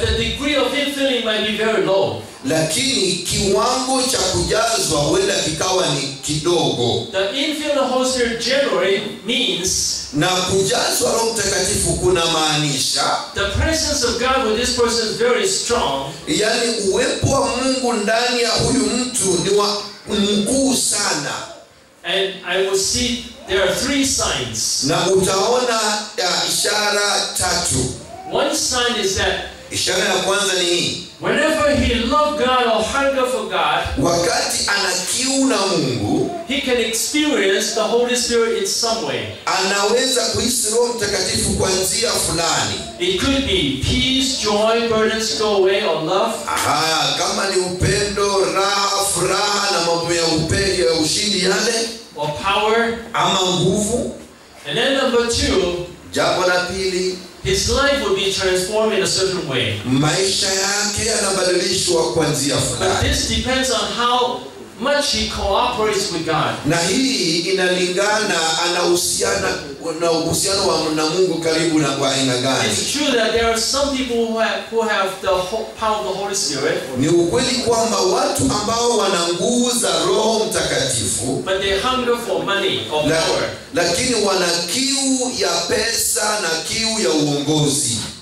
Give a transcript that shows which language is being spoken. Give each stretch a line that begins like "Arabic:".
English: But the degree of infilling might be very low.
Swahili: Lakini kiwango cha kujazwa huenda kikawa ni kidogo.
English: The infilling of the Holy Spirit generally means
Swahili: na kujazwa Roho Mtakatifu kuna maanisha
English: the presence of God with this person is very strong.
Swahili: Yani uwepo wa Mungu ndani ya huyu mtu ni wa mkuu sana.
English: And I will see there are three signs.
Swahili: Na utaona ishara tatu.
English: One sign is that
Swahili: ishara ya kwanza ni hii.
English: Whenever he loved God or hunger for God,
Swahili: wakati ana kiu na Mungu,
English: he can experience the Holy Spirit in some way.
Swahili: Anaweza kuhisi Roho Mtakatifu kwa njia fulani.
English: It could be peace, joy, burdens go away, or love.
Swahili: Aha, kama ni upendo, raha, furaha na mambo ya upendo ya ushindi yale.
English: Or power.
Swahili: Ama nguvu.
English: And then number two,
Swahili: jambo la pili,
English: his life would be transformed in a certain way.
Swahili: Maisha yake yanabadilishwa kwa njia fulani.
English: But this depends on how much he cooperates with God.
Swahili: Na hii inalingana anahusiana na uhusiano wa Mungu karibu na kwa aina gani.
English: It's true that there are some people who have the power of the Holy Spirit.
Swahili: Ni ukweli kwamba watu ambao wana nguvu za Roho Mtakatifu.
English: But they hunger for money or power.
Swahili: Lakini wana kiu ya pesa na kiu ya uongozi.